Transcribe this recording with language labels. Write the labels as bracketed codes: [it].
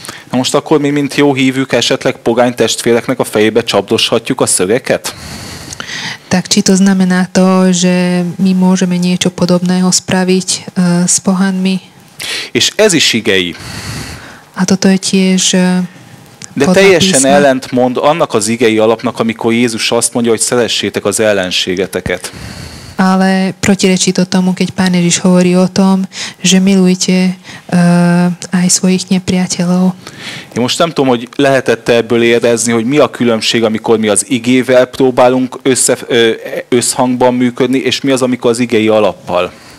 [hu] Na most akkor mi, mint jó hívők, esetleg pogány testvéreknek a fejébe csapdoshatjuk a szögeket? [sk] Tak či to znamená to, že my môžeme niečo podobného spraviť s pohanmi? [hu] És ez is igei. [sk] A toto je tiež... [hu] De teljesen ellentmond annak az igei alapnak, amikor Jézus azt mondja, hogy szeressétek az ellenségeteket. [sk] Ale protirečí to tomu, keď Pán Ježiš hovorí o tom, že milujte aj svojich nepriateľov. [hu] Én most nem tudom, hogy lehetett ebből érezni, hogy mi a különbség, amikor mi az igével próbálunk összhangban működni, és mi az, amikor az igei alappal.